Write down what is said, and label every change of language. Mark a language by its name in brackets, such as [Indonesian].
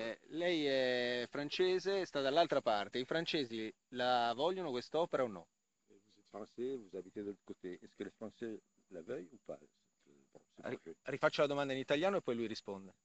[Italian] Lei è francese, sta dall'altra parte. I francesi la vogliono quest'opera o no? [French] Vous êtes français, vous habitez de l'autre côté. Est-ce que les français la veulent ou pas? [Italian] Rifaccio la domanda in italiano e poi lui risponde.